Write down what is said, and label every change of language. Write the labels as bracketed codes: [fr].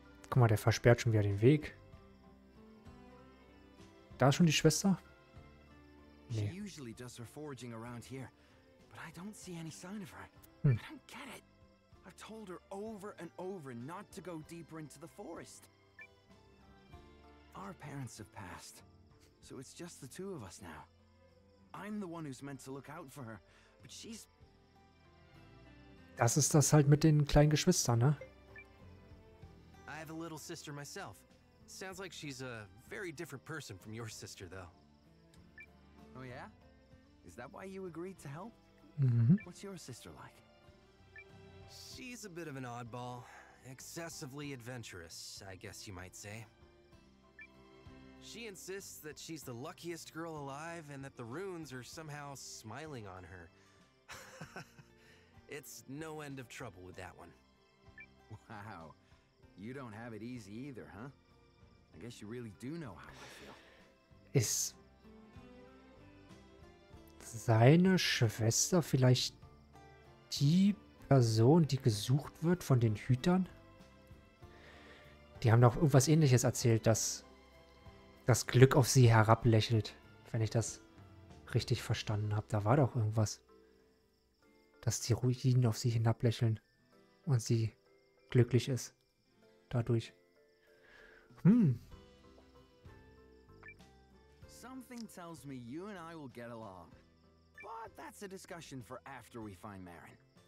[de] Guck mal, der versperrt schon wieder den Weg. Da ist schon die Schwester? Nee. [en] She usually does her foraging around here, but I don't see any sign of her. I don't get it. I've told her over and over not to go deeper into the forest. Our parents have passed, so it's just the two of us now. I'm the one who's meant to look out for her, but she's... [de] Das ist das halt mit den kleinen Geschwistern, ne? [en] I have a little sister myself. Sounds like she's a very different person from your sister, though. Oh yeah? Is that why you agreed to help? Mm-hmm. What's your sister like? She's a bit of an oddball. Excessively adventurous, I guess you might say. She insists that she's the luckiest girl alive and that the runes are somehow smiling on her. It's no end of trouble with that one. Wow. You don't have it easy either, huh? I guess you really do know how I feel. [de] Ist seine Schwester vielleicht die Person, die gesucht wird von den Hütern? Die haben doch irgendwas Ähnliches erzählt, dass das Glück auf sie herablächelt, wenn ich das richtig verstanden habe. Da war doch irgendwas, dass die Ruinen auf sie hinablächeln und sie glücklich ist dadurch. Hm. [en] Something tells me you and I will get along. But that's a discussion for after we find Marin.